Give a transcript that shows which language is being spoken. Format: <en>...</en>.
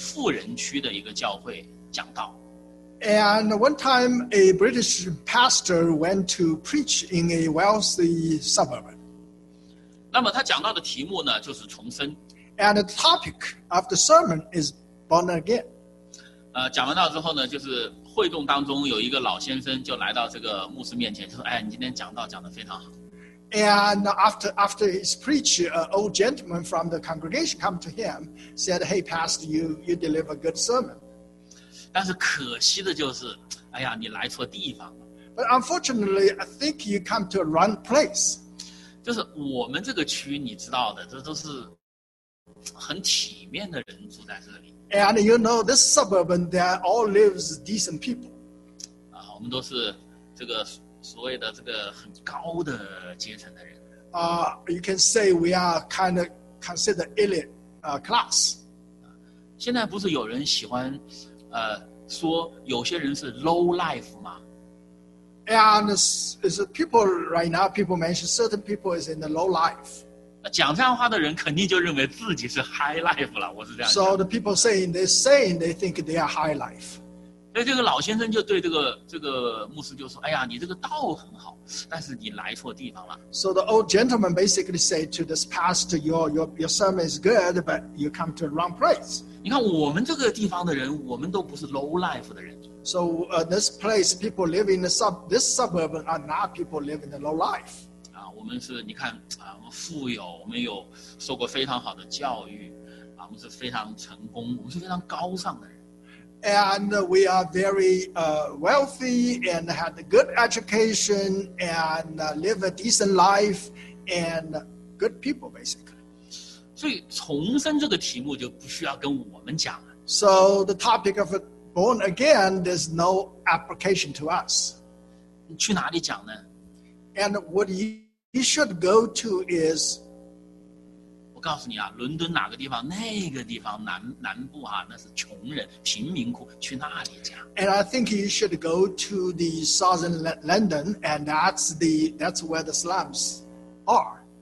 <zh>曾经有一个英国牧师去到伦敦的一个富人区的一个教会讲道。</zh> <en>And one time, a British pastor went to preach in a wealthy suburb.</en> <zh>那么他讲到的题目呢, 就是重生。</zh> <en>And the topic of the sermon is born again.</en> <zh>讲完道之后呢, 就是会众当中有一个老先生就来到这个牧师面前, 就说, 哎, 你今天讲道讲得非常好。</zh> <en>And after his preach, an old gentleman from the congregation come to him, said, hey, pastor, you deliver a good sermon.</en> <zh>但是可惜的就是, 哎呀, 你来错地方了。</zh> <en>But unfortunately, I think you come to a wrong place.</en> <zh>就是我们这个区, 你知道的, 这都是很体面的人住在这里。</zh> <en>And you know, this suburban, there all lives decent people.</en> <zh>啊, 我们都是这个, 所谓的这个很高的阶层的人。</zh> <en>You can say we are kind of considered elite class.</en> <zh>现在不是有人喜欢, 说有些人是</zh> <en>low life</en> <zh>吗?</zh> <en>And it's people right now, people mention certain people is in the low life.</en> <zh>讲这样话的人肯定就认为自己是</zh> <en>high life</en> <zh>了, 我是这样。</zh> <en>So the people saying, they think they are high life.</en> <zh>所以这个老先生就对这个牧师就说, 哎呀, 你这个道很好, 但是你来错地方了。</zh> <en>So the old gentleman basically said to this pastor, your sermon is good, but you come to the wrong place.</en> <zh>你看我们这个地方的人, 我们都不是</zh> <en>low life</en> <zh>的人。</zh> <en>So this place, people live in this suburb are not people living in the low life.</en> <zh>啊, 我们是, 你看, 啊, 我们富有, 我们有受过非常好的教育, 啊, 我们是非常成功, 我们是非常高尚的人。</zh> <en>And we are very wealthy and had a good education and live a decent life and good people, basically.</en> <zh>所以重生这个题目就不需要跟我们讲了。</zh> <en>So the topic of born again, there's no application to us.</en> <zh>你去哪里讲呢?</zh> <en>And what you should go to is</en> <zh>告诉你啊, 伦敦哪个地方, 那个地方, 南部啊, 那是穷人, 贫民窟, 去那里讲。</zh> <en>And I think you should go to the southern London, and that's where the slums are.</en>